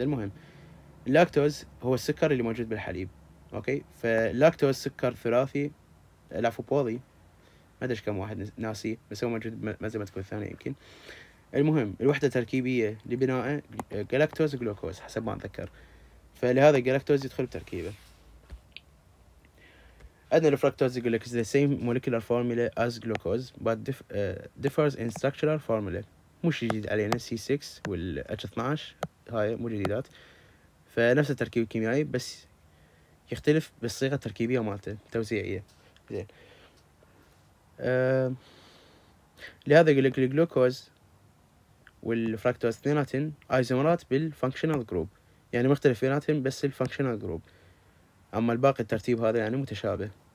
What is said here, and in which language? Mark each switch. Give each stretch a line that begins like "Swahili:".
Arabic: المهم اللاكتوز هو السكر اللي موجود بالحليب اوكي, فاللاكتوز سكر ثلاثي العفو بولي ما ادري كم واحد ناسي بس هو موجود مزي ما تكون الثانيه يمكن. المهم الوحده التركيبيه لبنائه جلاكتوز وجلوكوز حسب ما اتذكر, فلهذا الجلاكتوز يدخل بتركيبه. عندنا الفركتوز يقول لك
English: is the same molecular formula as glucose but differs in structural formula.
Arabic: مش جديد علينا C6 وال H12 هاي مو جديدات, فنفس التركيب الكيميائي بس يختلف بالصيغة التركيبية مالته توزيعية زين. لهذا يقول لك الجلوكوز والفركتوز اثنيناتهم ايزومرات بالفانكشنال جروب, يعني مختلف بيناتهم بس الفانكشنال جروب, اما الباقي الترتيب هذا يعني متشابه.